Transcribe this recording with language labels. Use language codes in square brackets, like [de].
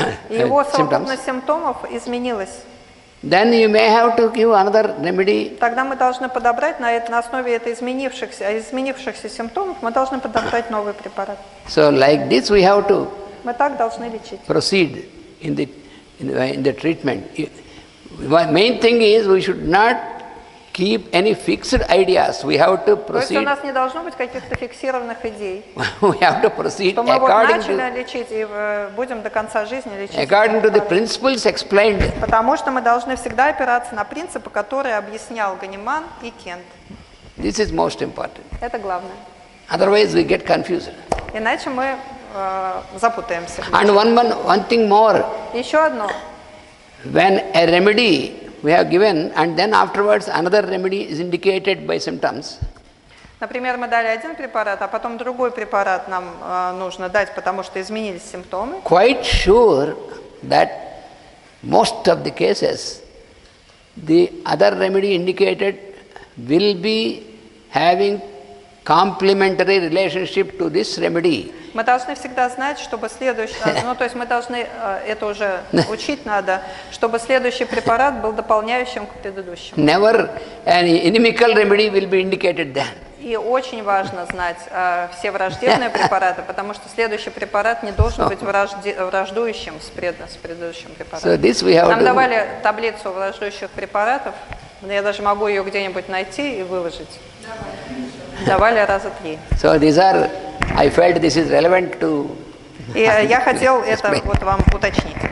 [ru] И его совокупность симптомов изменилась. [en] Then you may have to give another remedy. [ru] Тогда мы должны подобрать на основе этой изменившихся симптомов мы должны подобрать новый препарат. [en] So like this we have to. [ru] Мы так должны лечить. [en] Proceed in the treatment. Main thing is we should not keep any fixed ideas. We have to proceed. [ru] То есть у нас не должно быть каких-то фиксированных идей. [en] We have to proceed. [ru] Что мы вот начали лечить и будем до конца жизни лечить. [en] According to the principles explained. [ru] Потому что мы должны всегда опираться на принципы, которые объяснял Ганиман и Кент. [en] This is most important. [ru] Это главное. [en] Otherwise we get confused. [ru] Иначе мы запутаемся. [en] And one thing more. [ru] Еще одно. [en] When a remedy we have given, and then afterwards another remedy is indicated by symptoms. [ru] Например, мы дали один препарат, а потом другой препарат нам нужно дать, потому что изменились симптомы. [en] Quite sure that most of the cases, the other remedy indicated will be having complementary relationship to this remedy. [ru] Мы должны всегда знать, чтобы следующий, мы должны это уже учить надо, чтобы следующий препарат был дополняющим к предыдущему. [en] Never an inimical remedy will be indicated then. [ru] И очень важно знать все враждебные препараты, потому что следующий препарат не должен быть враждующим с предыдущим препаратом. [en] So this we have [ru] нам давали таблицу враждующих препаратов, я даже могу ее где-нибудь найти и выложить. Давали раза три. [en] So these are, I felt this is relevant to. [ru] И я хотел это вот вам уточнить.